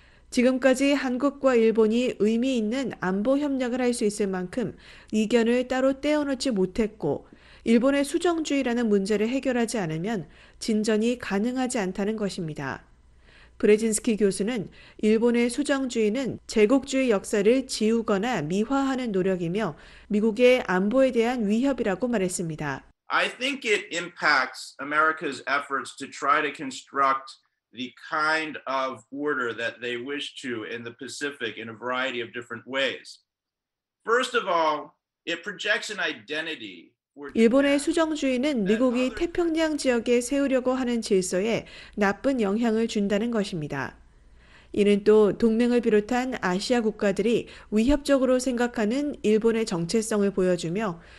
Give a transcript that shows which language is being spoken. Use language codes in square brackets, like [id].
[ko] 지금까지 한국과 일본이 의미 있는 안보 협력을 할 수 있을 만큼 이견을 따로 떼어놓지 못했고 일본의 수정주의라는 문제를 해결하지 않으면 진전이 가능하지 않다는 것입니다. 브레진스키 교수는 일본의 수정주의는 제국주의 역사를 지우거나 미화하는 노력이며 미국의 안보에 대한 위협이라고 말했습니다. [en] I think it impacts America's efforts to try to construct the kind of order that they wish to in the Pacific in a variety of different ways. First of all, it projects an identity. [ko] 일본의 수정주의는 미국이 태평양 지역에 세우려고 하는 질서에 나쁜 영향을 준다는 것입니다. 이는 또 동맹을 비롯한 아시아 국가들이 위협적으로 생각하는 일본의 정체성을 보여주며